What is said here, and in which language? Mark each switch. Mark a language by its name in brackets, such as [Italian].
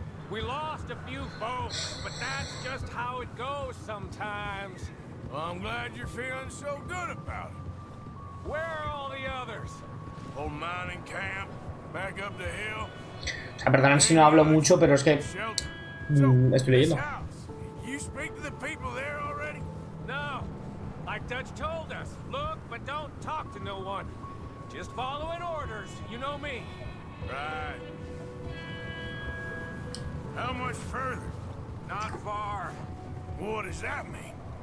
[English] We lost a few folks, but that's just how it goes sometimes. Well, I'm glad you're feeling so good about it. Where are all the others? Old mining camp, back up the hill. [Spanish] O sea, perdón si no hablo mucho, pero es que estoy leyendo. [English] You speak to the people there already? No. Like Dutch told us, look, but don't talk to no one. Just following orders, you know me. Right. How much further? Not far. What does that mean?